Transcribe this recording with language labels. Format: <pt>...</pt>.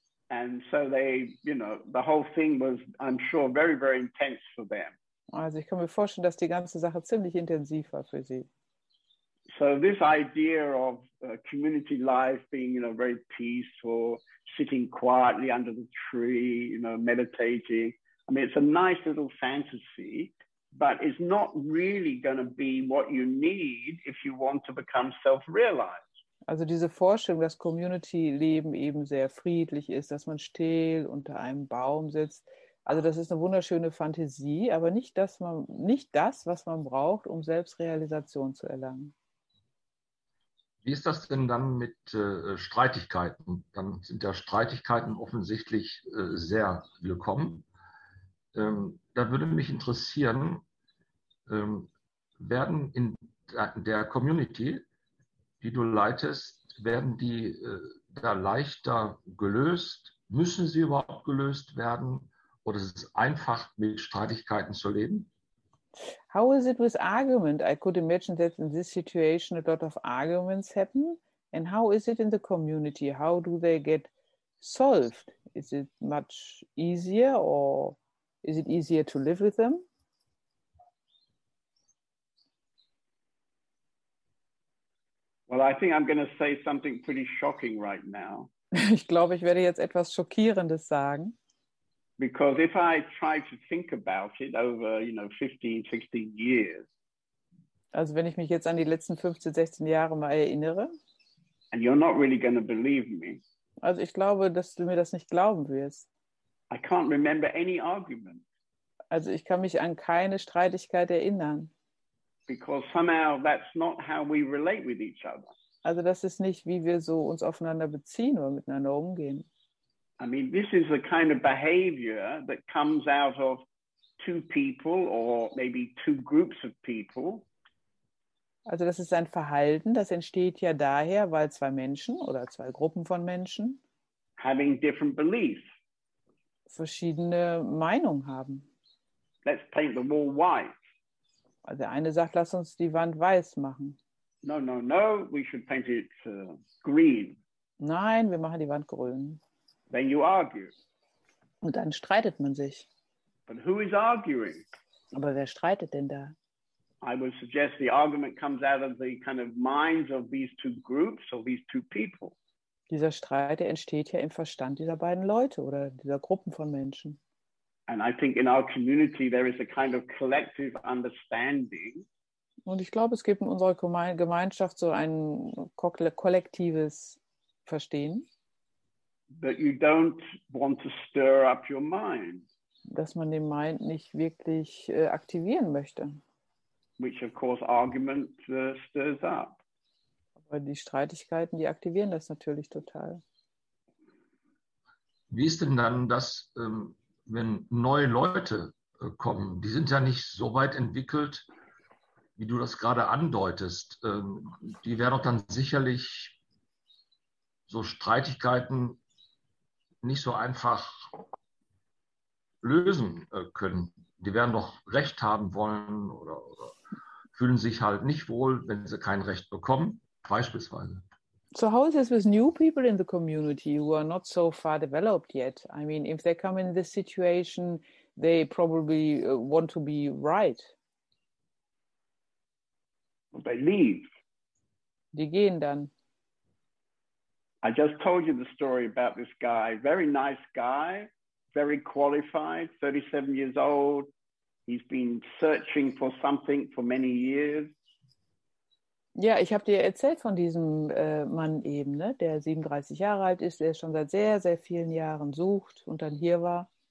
<en>And so they, you know, the whole thing was, I'm sure, very, very intense for them.</en> <de>Also ich kann mir vorstellen, dass die ganze Sache ziemlich intensiv war für sie.</de> <en>So this idea of community life being, you know, very peaceful, sitting quietly under the tree, you know, meditating. I mean, it's a nice little fantasy, but it's not really going to be what you need if you want to become self-realized.</en> <de>Also diese Vorstellung, dass Community-Leben eben sehr friedlich ist, dass man still unter einem Baum sitzt. Also das ist eine wunderschöne Fantasie, aber nicht das, was man braucht, um Selbstrealisation zu erlangen. Wie ist das denn dann mit Streitigkeiten? Dann sind ja Streitigkeiten offensichtlich sehr willkommen. Da würde mich interessieren, werden in der Community, die du leitest, werden die da leichter gelöst? Müssen sie überhaupt gelöst werden? Oder ist es einfach, mit Streitigkeiten zu leben?</de> <en>How is it with argument? I could imagine that in this situation a lot of arguments happen. And how is it in the community? How do they get solved? Is it much easier or is it easier to live with them? Well, I think I'm going to say something pretty shocking right now.</en> <de>Ich glaube, ich werde jetzt etwas Schockierendes sagen.</de> <en>Because if I try to think about it over, you know, 15, 16 years.</en> <de>Also wenn ich mich jetzt an die letzten 15, 16 Jahre mal erinnere.</de> <en>And you're not really going to believe me.</en> <de>Also ich glaube, dass du mir das nicht glauben wirst.</de> <en>I can't remember any argument.</en> <de>Also ich kann mich an keine Streitigkeit erinnern.</de> <en>Because somehow that's not how we relate with each other.</en> <de>Also das ist nicht, wie wir so uns aufeinander beziehen oder miteinander umgehen.</de> <en>I mean, this is the kind of behavior that comes out of two people or maybe two groups of people.</en> <de>Also das ist ein Verhalten, das entsteht ja daher, weil zwei Menschen oder zwei Gruppen von Menschen</de> <en>having different beliefs.</en> <de>Verschiedene Meinungen haben.</de> <en>Let's paint the wall white.</en> <de>Also der eine sagt, lass uns die Wand weiß machen.</de> <en>No, we should paint it green.</en> <de>Nein, wir machen die Wand grün.</de> <en>Then you argue.</en> <de>Und dann streitet man sich.</de> <en>But who is arguing?</en> <de>Aber wer streitet denn da?</de> <en>I would suggest the argument comes out of the kind of minds of these two groups or these two people.</en> <de>Dieser Streit, der entsteht ja im Verstand dieser beiden Leute oder dieser Gruppen von Menschen.</de> <en>And I think in our community there is a kind of collective understanding.</en> <de>Und ich glaube, es gibt in unserer Gemeinschaft so ein kollektives Verstehen.</de> <en>That you don't want to stir up your mind.</en> <de>Dass man den Mind nicht wirklich aktivieren möchte.</de> <en>which of course argument stirs up.</en> <de>Aber die Streitigkeiten, die aktivieren das natürlich total. Wie ist denn dann das, wenn neue Leute kommen? Die sind ja nicht so weit entwickelt, wie du das gerade andeutest. Die werden doch dann sicherlich so Streitigkeiten nicht so einfach lösen können. Die werden doch Recht haben wollen oder fühlen sich halt nicht wohl, wenn sie kein Recht bekommen, beispielsweise.</de> <en>So how is this with new people in the community who are not so far developed yet? I mean, if they come in this situation, they probably want to be right. They leave.</en> <de>Die gehen dann.</de> <en>I just told you the story about this guy. Very nice guy, very qualified, 37 years old. He's been searching for something for many years.</en> <de>Ja, ich habe dir erzählt von diesem Mann eben, ne, der 37 Jahre alt ist, der schon seit sehr, sehr vielen Jahren sucht und dann hier war.</de>